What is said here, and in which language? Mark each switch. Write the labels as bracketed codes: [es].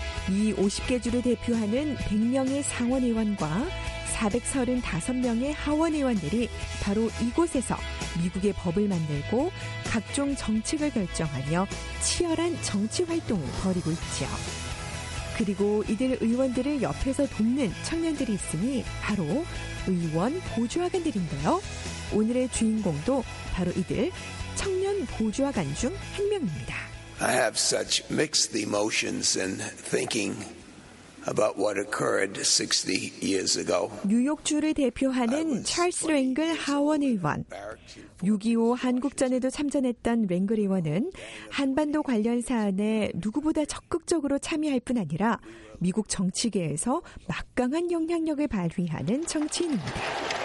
[ko] 이 50개 주를 대표하는 100명의 상원의원과 435명의 하원의원들이 바로 이곳에서 미국의 법을 만들고 각종 정책을 결정하며 치열한 정치활동을 벌이고 있죠. 그리고 이들 의원들을 옆에서 돕는 청년들이 있으니 바로 의원 보좌관들인데요. 오늘의 주인공도 바로 이들 청년 보좌관 중 한 명입니다. [en] I have such mixed emotions in thinking about what occurred 60 years ago. [ko] 뉴욕주를 대표하는 찰스 랭글 하원 의원. 6.25 한국전에도 참전했던 랭글 의원은 한반도 관련 사안에 누구보다 적극적으로 참여할 뿐 아니라 미국 정치계에서 막강한 영향력을 발휘하는 정치인입니다.